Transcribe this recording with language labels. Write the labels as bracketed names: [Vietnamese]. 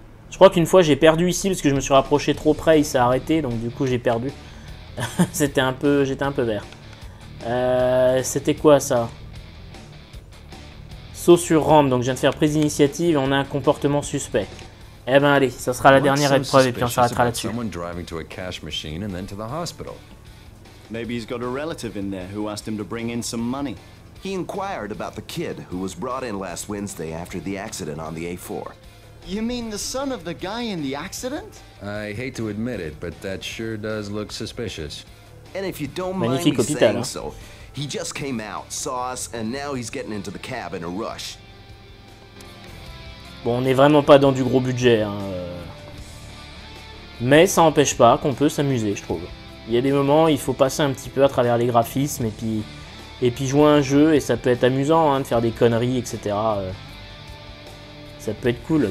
[French] Je crois qu'une fois j'ai perdu ici parce que je me suis rapproché trop près, il s'est arrêté, donc du coup j'ai perdu. J'étais un peu vert. C'était quoi ça? Saut sur rampe, donc je viens de faire prise d'initiative et on a un comportement suspect. Eh ben allez, ça sera la dernière épreuve et puis on s'arrêtera là-dessus. [English] Someone driving to a cash machine and then to the hospital. Maybe he's got a relative in there who asked him to bring in some money. He inquired about the kid who was brought in last Wednesday after the accident on the A4. You mean the son of the guy in the accident? I hate to admit it, but that sure does look suspicious. And if you don't mind me saying so, He just came out, saw us, and now he's getting into the cab in a rush. [French] Bon, on n'est vraiment pas dans du gros budget, hein. Mais ça n'empêche pas qu'on peut s'amuser, je trouve. Il y a des moments où il faut passer un petit peu à travers les graphismes et puis jouer à un jeu, et ça peut être amusant, hein, de faire des conneries, etc. Ça peut être cool.